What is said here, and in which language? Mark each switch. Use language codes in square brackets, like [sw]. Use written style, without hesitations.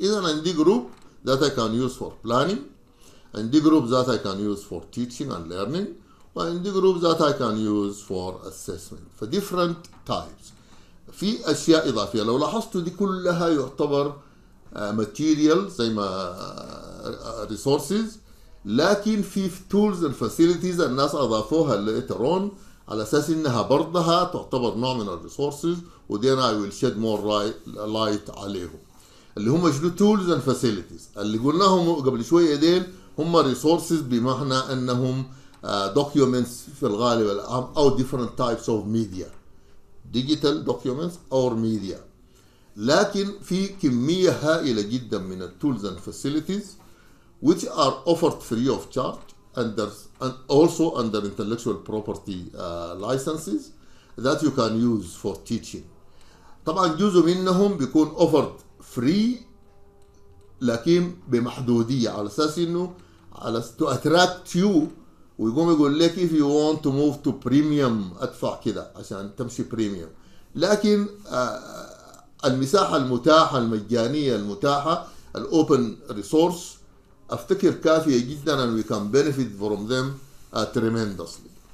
[ar] إذا عندي [en] group that I can use for planning. And the group that I can use for teaching and learning. find the groups that I can use for assessment for different types. [ar] في أشياء إضافية لو لاحظتوا دي كلها يعتبر material زي ما resources، لكن في [en] tools and facilities [ar] الناس أضافوها [en] later on [ar] على أساس إنها برضها تعتبر نوع من ال resources، ودي أنا [en] I will shed more light [ar] عليهم اللي هم شنو tools and facilities اللي قلناهم قبل شوية. ديل هم [en] resources [ar] بمعنى أنهم [en] documents [ar] في الغالب العام أو [en] different types of media، digital documents or media. [ar] لكن في كمية هائلة جدا من ال [en] tools and facilities which are offered free of charge under and also under intellectual property licenses that you can use for teaching. [ar] طبعا جزء منهم بيكون [en] offered free [ar] لكن بمحدودية على أساس إنه على [en] to attract you، [ar] ويقوم يقول لك [en] if you want to move to premium [ar] أدفع كده عشان تمشي premium. لكن المساحة المتاحة المجانية المتاحة الـ [en] open resource [ar] افتكر كافية جدا [en] and we can benefit from them tremendously.